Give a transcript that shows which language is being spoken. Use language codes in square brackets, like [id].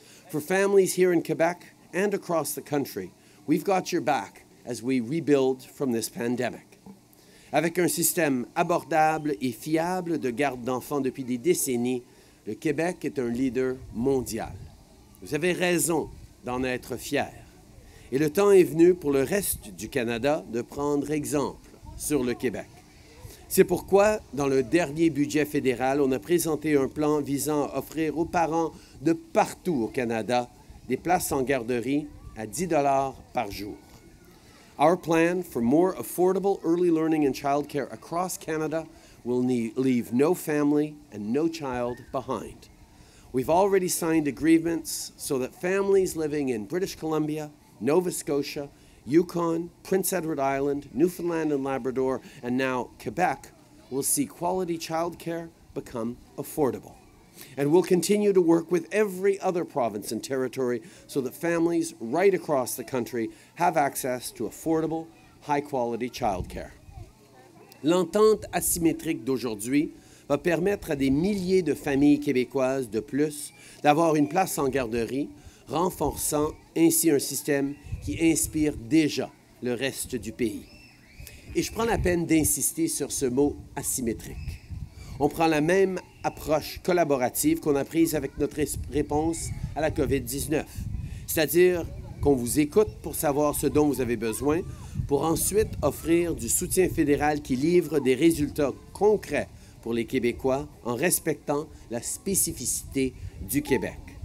[en] For families here in Quebec and across the country, we've got your back as we rebuild from this pandemic. [fr] Avec un système abordable et fiable de garde d'enfants depuis des décennies, le Québec est un leader mondial. Vous avez raison d'en être fier. Et le temps est venu pour le reste du Canada de prendre exemple sur le Québec. C'est pourquoi, dans le dernier budget fédéral, on a présenté un plan visant à offrir aux parents de partout au Canada des places en garderie à 10 $ par jour. [en] Our plan for more affordable early learning and childcare across Canada will leave no family and no child behind. We've already signed agreements so that families living in British Columbia, Nova Scotia, Yukon, Prince Edward Island, Newfoundland and Labrador, and now Quebec will see quality childcare become affordable. And we'll continue to work with every other province and territory so that families right across the country have access to affordable, high-quality childcare. [fr] L'entente asymétrique d'aujourd'hui va permettre à des milliers de familles québécoises de plus d'avoir une place en garderie, renforçant ainsi un système qui inspire déjà le reste du pays. Et je prends la peine d'insister sur ce mot asymétrique. On prend la même approche collaborative qu'on a prise avec notre réponse à la COVID-19, c'est-à-dire qu'on vous écoute pour savoir ce dont vous avez besoin, pour ensuite offrir du soutien fédéral qui livre des résultats concrets pour les Québécois en respectant la spécificité du Québec.